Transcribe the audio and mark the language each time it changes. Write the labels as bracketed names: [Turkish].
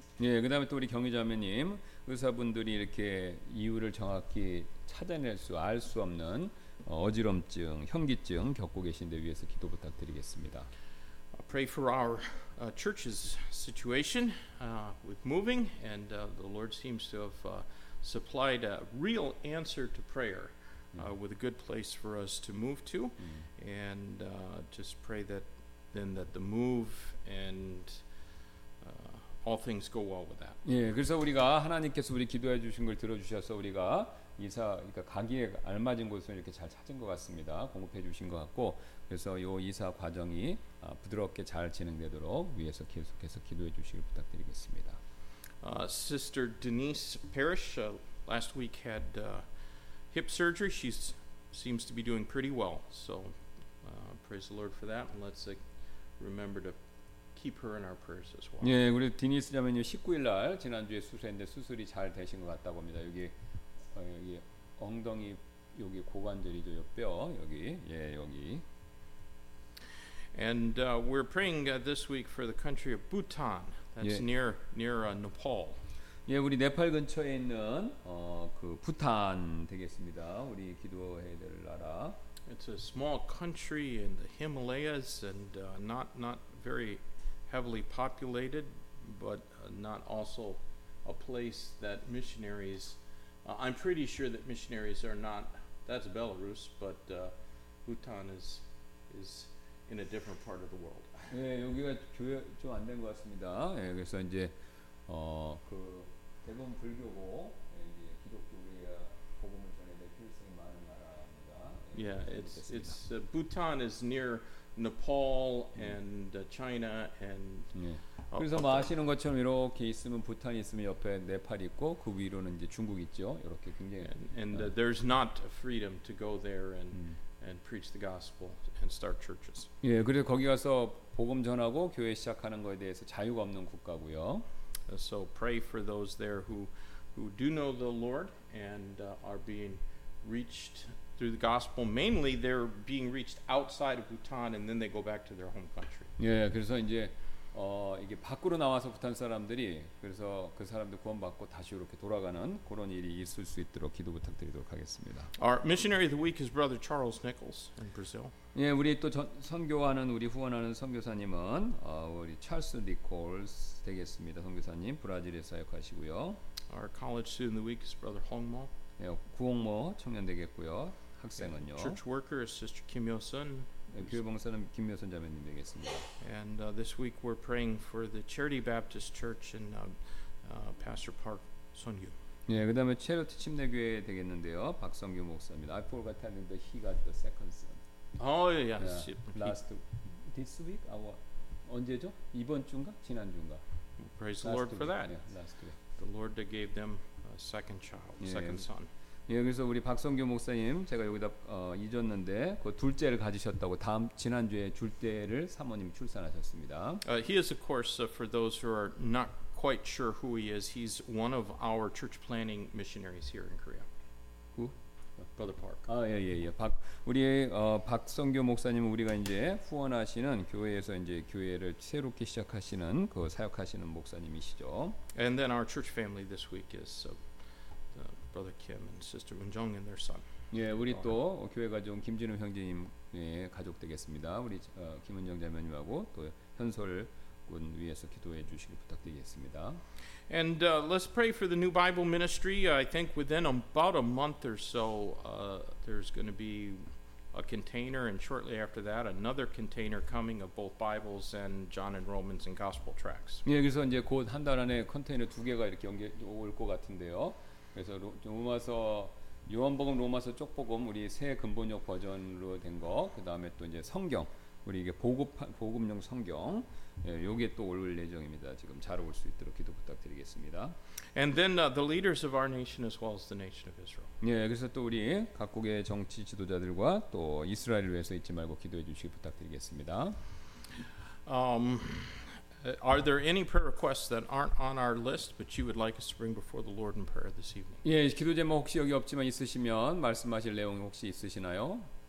[Korean] 예, 그다음에 또 우리 경희 자매님 의사분들이 이렇게 이유를 정확히 찾아낼 수 알 수 없는 어지럼증, 현기증 겪고 계신데 위해서 기도 부탁드리겠습니다. [English] Pray for our church's situation with moving, and the Lord seems to have supplied a real answer to prayer with a good place for us to move to, and just pray that then that the move and all things go well with that. [Korean] 예, 그래서 우리가 하나님께서 우리 기도해 주신 걸 들어주셔서 우리가 이사 그러니까 가기에 알맞은 곳을 이렇게 잘 찾은 것 같습니다. 공급해 주신 것 같고 그래서 요 이사 과정이 부드럽게 잘 진행되도록 위해서 계속해서 기도해 주시길 부탁드리겠습니다. [English] Sister Denise Parrish last week had hip surgery. She seems to be doing pretty well. So praise the Lord for that. And let's remember to keep her in our prayers as well. [Korean] 예, 우리 디니스 자매님 19일 날 지난주에 수술했는데 수술이 잘 되신 것 같다고 합니다. 여기 여기 엉덩이 여기 고관절이죠, 요 뼈 여기 예 여기. [English] And we're praying this week for the country of Bhutan. That's 예. near Nepal. [Korean] 예, 우리 네팔 근처에 있는 그 부탄 되겠습니다. 우리 기도해야 될 나라. [English] It's a small country in the Himalayas and not very heavily populated, but not also a place that missionaries. I'm pretty sure that missionaries are not. That's Belarus, but Bhutan is in a different part of the world. [Korean] 예, 여기가 교회 좀 안 된 것 같습니다. 예, 그래서 이제 그 대부분 불교고 예, 이제 기독교에 복음을 전해야 필요성이 많은 나라입니다. [English] 예, yeah, it's Bhutan is near Nepal and China and. [Korean] 예. 그래서 뭐 아시는 것처럼 이렇게 있으면 부탄이 있으면 옆에 네팔 있고 그 위로는 이제 중국 있죠. 이렇게 굉장히 [English] and there's not freedom to go there and preach the gospel and start churches. [Korean] 예, 그래서 거기 가서 복음 전하고 교회 시작하는 거에 대해서 자유가 없는 국가고요. [English] So pray for those there who do know the Lord and are being reached through the gospel. Mainly they're being reached outside of Bhutan and then they go back to their home country. [Korean] 예, 그래서 이제 이게 밖으로 나와서 부탄 사람들이 그래서 그 사람들 구원받고 다시 이렇게 돌아가는 그런 일이 있을 수 있도록 기도 부탁드리도록 하겠습니다. [English] Our missionary of the week is Brother Charles Nichols in Brazil. [Korean] 예, 우리 또 선교하는 우리 후원하는 선교사님은 우리 찰스 니콜스 되겠습니다. 선교사님 브라질에서 역하시고요. [English] Our college student of the week is Brother Hong Mo. [Korean] 예, 구홍모 청년 되겠고요. 학생은요. [English] Church worker is Sister Kim Yo Sun. [Korean] 교회 봉사는 김여선 자매님 되겠습니다. [English] And this week we're praying for the Charity Baptist Church and Pastor Park Sun-gyu. [Korean] 네, 그다음에 체르트 침례교회 되겠는데요. 박성규 목사입니다. [English] I forgot to mention he got the second son. Oh yeah, yes. Last this week, [Korean] 아와 언제죠? 이번 주인가? 지난 주인가? [English] Praise the Lord for that. Yeah, last week. The Lord that gave them a second child, second son. [Korean] 여기서 우리 박성규 목사님 제가 여기다 잊었는데 그 둘째를 가지셨다고 다음 지난주에 둘째를 사모님 출산하셨습니다. [English] He is of course for those who are not quite sure who he is. He's one of our church planning missionaries here in Korea. Who? Brother Park. [Korean] 아 예예예. 예, 예. 박 우리 박성규 목사님 우리가 이제 후원하시는 교회에서 이제 교회를 새롭게 시작하시는 그 사역하시는 목사님이시죠. [English] And then our church family this week is. Brother Kim and Sister Eun-jung and their son. [Korean] 예, 우리 또 교회 가정 김진우 형제님의 가족 되겠습니다. 우리 김은정 자매님하고 또 현솔 군 위해서 기도해 주시길 부탁드리겠습니다. [English] And let's pray for the new Bible ministry. I think within about a month or so, there's going to be a container, and shortly after that, another container coming of both Bibles and John and Romans and Gospel tracts. [Korean] 예, 그래서 이제 곧 한 달 안에 컨테이너 두 개가 이렇게 옮겨 올 것 같은데요. 그래서 로마서 요한복음 로마서 쪽복음 우리 새 근본역 버전으로 된 거, 그 다음에 또 이제 성경 우리 이게 보급용 성경 요게 또 올 예정입니다. 지금 잘 올 수 있도록 기도 부탁드리겠습니다. [English] And then the leaders of our nation as well as the nation of Israel. [Korean] 예, 그래서 또 우리 각국의 정치 지도자들과 또 이스라엘을 위해서 잊지 말고 기도해 주시기 부탁드리겠습니다. [English] Are there any prayer requests that aren't on our list but you would like us to bring before the Lord in prayer this evening? [Korean] 예, 기도 제목 혹시 여기 없지만 있으시면 말씀하실 내용 혹시 있으시나요?